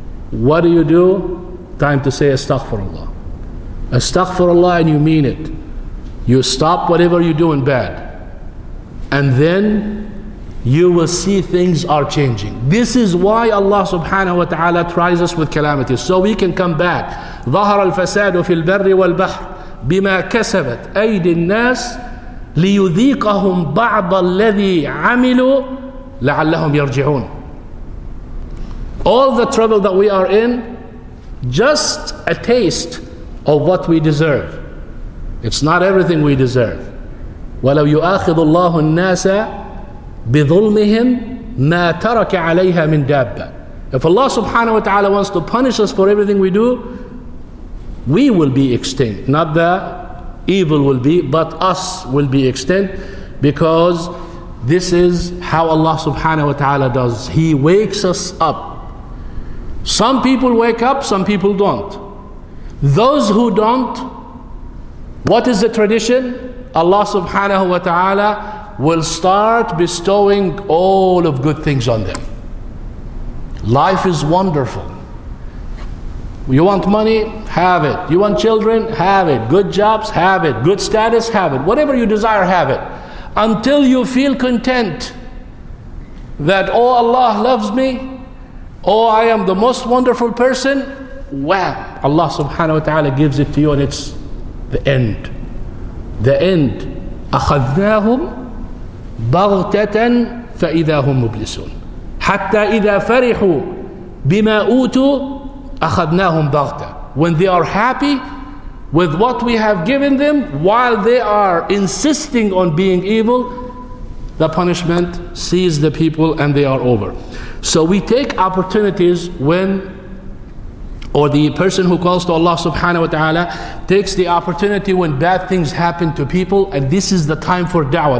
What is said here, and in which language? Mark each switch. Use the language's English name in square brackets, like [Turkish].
[English] What do? Time to say astaghfirullah. Astaghfirullah, and you mean it. You stop whatever you're doing bad. And then you will see things are changing. This is why Allah subhanahu wa ta'ala tries us with calamities, so we can come back. [Arabic] ظهر الفساد في البر والبحر بما كسبت أيدي الناس ليذيقهم بعض الذي عملوا لعلهم يرجعون. [English] All the trouble that we are in, just a taste of what we deserve. It's not everything we deserve. [Arabic] ولو يؤاخذ الله الناس بظلمهم ما ترك عليها من دابة. [English] If Allah subhanahu wa ta'ala wants to punish us for everything we do, we will be extinct. Not the evil will be, but us will be extinct, because this is how Allah subhanahu wa ta'ala does. He wakes us up. Some people wake up, some people don't. Those who don't, what is the tradition? Allah subhanahu wa ta'ala will start bestowing all of good things on them. Life is wonderful. You want money? Have it. You want children? Have it. Good jobs? Have it. Good status? Have it. Whatever you desire, have it. Until you feel content that, oh, Allah loves me, oh, I am the most wonderful person, wow, Allah subhanahu wa ta'ala gives it to you, and it's the end. The end. [Arabic] أخذناهم بغتة فإذا هم مبلسون حتى إذا فرحوا بما أوتوا أخذناهم بغتة. [English] When they are happy with what we have given them, while they are insisting on being evil, the punishment seizes the people and they are over. So we take opportunities when, or the person who calls to Allah subhanahu wa ta'ala takes the opportunity when bad things happen to people, and this is the time for da'wah.